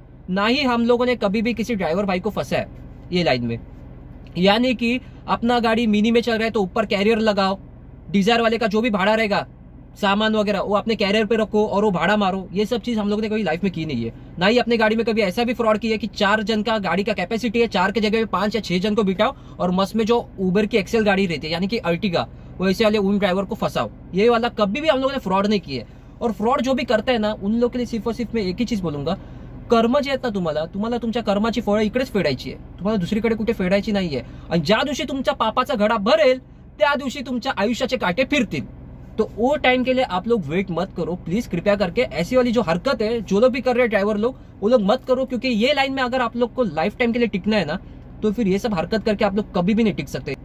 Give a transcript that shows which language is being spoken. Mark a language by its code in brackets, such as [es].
[hi] ना ही हम लोगों ने कभी भी किसी ड्राइवर भाई को फंसा है ये लाइन में, यानी कि अपना गाड़ी मिनी में चल रहा है तो ऊपर कैरियर लगाओ, डिजायर वाले का जो भी भाड़ा रहेगा सामान वगैरह वो अपने कैरियर पे रखो और वो भाड़ा मारो, ये सब चीज हम लोग ने कभी लाइफ में की नहीं है। ना ही अपने गाड़ी में कभी ऐसा भी फ्रॉड किया कि चार जन का गाड़ी का कैपेसिटी है, चार के जगह पे पांच या छह जन को बिठाओ और मस में जो उबर की एक्सेल गाड़ी रहती है यानी कि अल्टिगा वैसे वाले उन ड्राइवर को फंसाओ, ये वाला कभी भी हम लोगों ने फ्रॉड नहीं किया। और फ्रॉड जो भी करता है ना उन लोग के लिए सिर्फ और सिर्फ मैं एक ही चीज बोलूंगा, [mr] कर्म जे आहेत ना तुम्हाला, तुम्हाला तुमच्या कर्माची फळं इकडेच फेडायची आहे, तुम्हाला दुसरीकडे कुठे फेडायची नाहीये। आणि ज्या दिवशी तुमच्या पापाचा घडा भरेल त्या दिवशी तुमच्या आयुष्याचे काटे फिरतील, [hi] तो वो टाइम के लिए आप लोग वेट मत करो प्लीज, कृपया करके ऐसी वाली जो हरकत है जो लोग भी कर रहे ड्राइवर लोग वो लोग मत करो, क्योंकि ये लाइन में अगर आप लोग को लाइफ टाइम के लिए टिकना है ना तो फिर ये सब हरकत करके आप लोग कभी भी नहीं टिक सकते।